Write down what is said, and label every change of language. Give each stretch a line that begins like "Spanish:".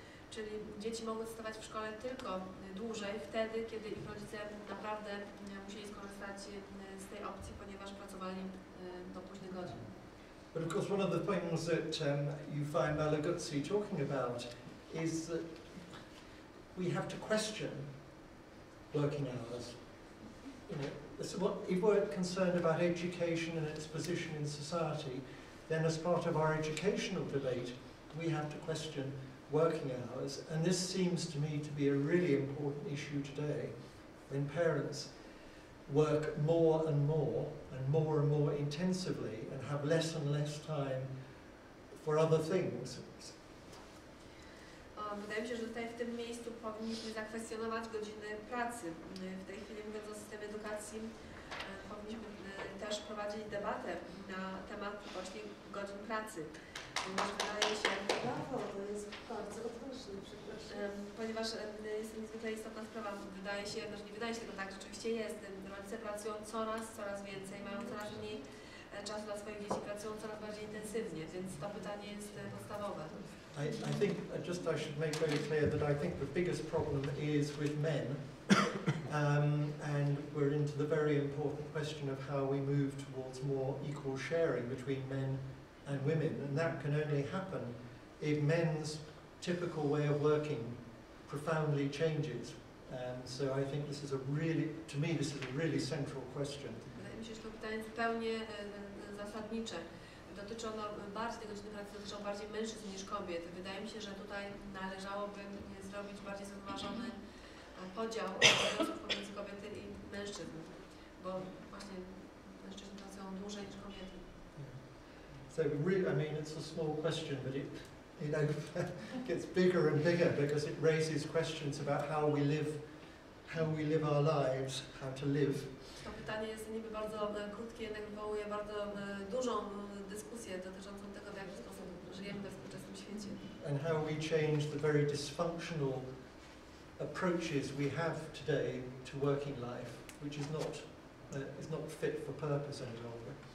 Polish: Czyli dzieci mogły zostawać w szkole tylko dłużej, wtedy, kiedy ich rodzice naprawdę musieli skorzystać z tej opcji, ponieważ pracowali do późnych godzin.
English: But of course one of the things that you find Malagutsi talking about is that we have to question working hours. You know, if we're concerned about education and its position in society, then as part of our educational debate, we have to question working hours. And this seems to me to be a really important issue today, when parents work more and more, and more intensively, and have less and less time for other things.
Polish: Wydaje mi się, że tutaj w tym miejscu powinniśmy zakwestionować godziny pracy. W tej chwili, mówiąc o systemie edukacji, powinniśmy też prowadzić debatę na temat właśnie godzin pracy. Ponieważ wydaje się... Brawo, to jest bardzo odważne, przepraszam. Ponieważ jest niezwykle istotna sprawa, wydaje się, no, nie wydaje się to tak, rzeczywiście jest. Rodzice pracują coraz więcej, mają coraz mniej czasu dla swoich dzieci, pracują coraz bardziej intensywnie, więc to pytanie jest podstawowe.
English: I think, just I should make very clear that I think the biggest problem is with men, and we're into the very important question of how we move towards more equal sharing between men and women, and that can only happen if men's typical way of working profoundly changes. So I think this is a really, to me, this is a really central question.
Polish: Dotyczy ono bardziej, godziny pracy dotyczą bardziej mężczyzn niż kobiet. Wydaje mi się, że tutaj należałoby zrobić bardziej zrównoważony podział obowiązków pomiędzy kobiety i mężczyzn, bo właśnie mężczyźni pracują dłużej niż kobiety.
English: Yeah. So really, I mean, it's a small question, but it, you know, gets bigger and bigger because it raises questions about how we live our lives, how to live.
Polish: To pytanie jest niby bardzo krótkie, jednak wywołuje bardzo dużą dyskusję dotyczącą tego, w jaki sposób żyjemy we współczesnym świecie.
English: And how we change the very dysfunctional approaches we have today to working life, which is not fit for purpose any longer.